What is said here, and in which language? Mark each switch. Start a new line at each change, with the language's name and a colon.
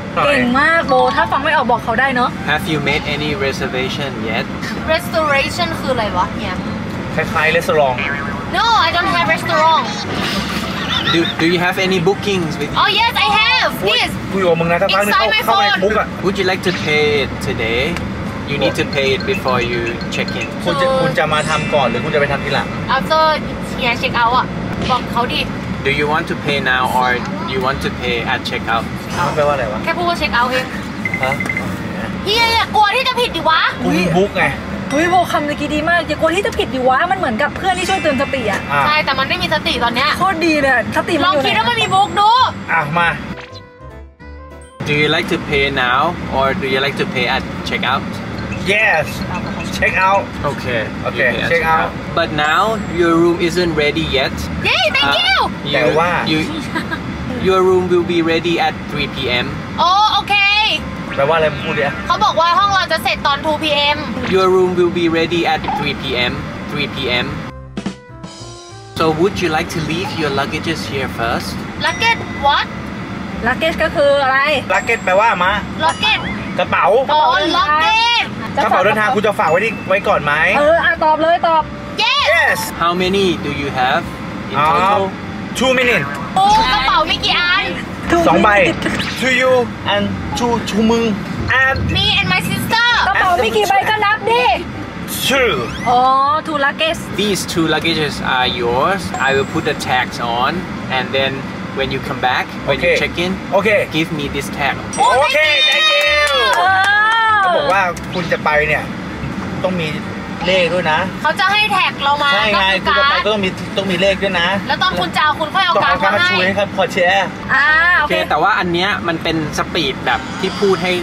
Thai: เก่งมากโบถ้าฟังไม่ออกบอกเขาได้เนาะ
English: Have you made any reservation yet?
Thai: Restoration คืออะไรวะเนี่ ย คล้ายๆ restaurant
English: No, I don't have restaurant Do you have any bookings with you? Oh yes, I have. Please.
Thai: คุยกับมึงนะถ้าพังเนี่ยเข้าไปบุ๊กอ่ะ
English: Would you like to pay it today? You need to pay it before you check in.
Thai: คุณจะมาทำก่อนหรือคุณจะไปทำทีหลัง
English: After
Thai: เฮียเช็คเอาท์อ่ะบอกเขาดิ
English: Do you want to pay now or you want to pay at check out?
Thai: มันแปลว่าอะไรวะ แค่พูดว่าเช็คเอาท์เอง ฮะ เฮียกลัวที่จะผิดดิวะ คุณบุ๊กไง เฮ้ยโบคำตะกี้ดีมากอย่ากลัวที่จะผิดดิวะมันเหมือนกับเพื่อนที่ช่วยเตือนสติอ่ะ ใช่แต่มันไม่มีสติตอนเนี้ย โคตรดีเลยสติ ลองคิดแล้วมันมีบุ๊กดู อ่ะมา
English: Do you like to pay now or do you like to pay at check out Yes check out Okay check out But now your room isn't ready yet Yay thank you
Thai: แต่ว่า
English: Your room will be ready at 3 p.m. Oh okay
Thai: แปลว่าอะไรพูดดิ เขาบอกว่าห้องเราจะเสร็จตอน 2 p.m.
English: Your room will be ready at 3 p.m. 3 p.m. So would you like to leave your luggages here first? Luggage what?
Thai: Luggage ก็คืออะไร Luggage แปลว่ามา
English: Luggage
Thai: กระเป๋า อ๋อ Luggage กระเป๋าเดินทางคุณจะฝากไว้ที่ไว้ก่อนไหม เอออ่ะตอบเลยตอบ
English: Yes How many do you have in total? 2 minutes
Thai: โอ้กระเป๋ามีกี่อัน
English: 2ใบ to you and to มึง and me and my sister
Thai: กระเป๋ามีกี่ใบก็นับดิ
English: two อ๋อ two luggages these two luggages are yours I will put the tags on and then when you come back when you check in okay give me this tag okay thank you
Thai: เขาบอกว่าคุณจะไปเนี่ยต้องมีเลขด้วยนะ เขาจะให้แท็กเรามา ใช่ไงคุณจะไปต้องมีเลขด้วยนะ แล้วต้องคุณจะเอาคุณค่อยเอาการ์ดมาให้ ช่วยครับขอแชร์ โอเค แต่ว่าอันเนี้ยมันเป็นสปีดแบบที่พูดให้